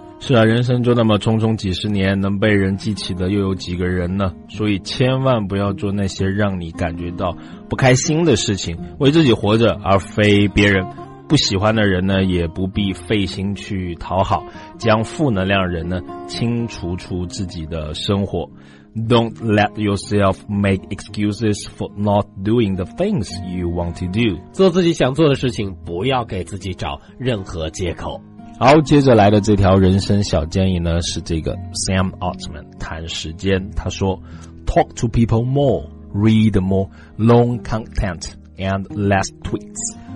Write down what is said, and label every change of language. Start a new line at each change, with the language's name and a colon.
Chinese: 是啊，人生就那么匆匆几十年，能被人记起的又有几个人呢？所以千万不要做那些让你感觉到不开心的事情，为自己活着而非别人。不喜欢的人呢，也不必费心去讨好，将负能量人呢清除出自己的生活。
English: Don't let yourself make excuses for not doing the things you want to do.
Chinese: 做自己想做的事情，不要给自己找任何借口。好，接着来的这条人生小建议呢，是这个 Sam Altman 谈时间。他说
English: ，Talk to people more, read more long content and less tweets.